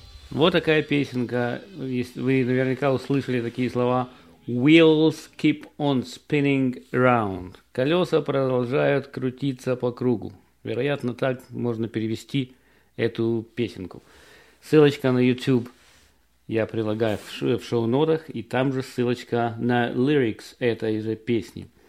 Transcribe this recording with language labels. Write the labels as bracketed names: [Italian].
[Russian] Вот такая песенка. Вы наверняка услышали такие слова. [English] Wheels keep on spinning round. [Russian] Колеса продолжают крутиться по кругу. Вероятно, так можно перевести эту песенку. Ссылочка на YouTube я прилагаю в шоу-нотах. И там же ссылочка на lyrics этой же песни.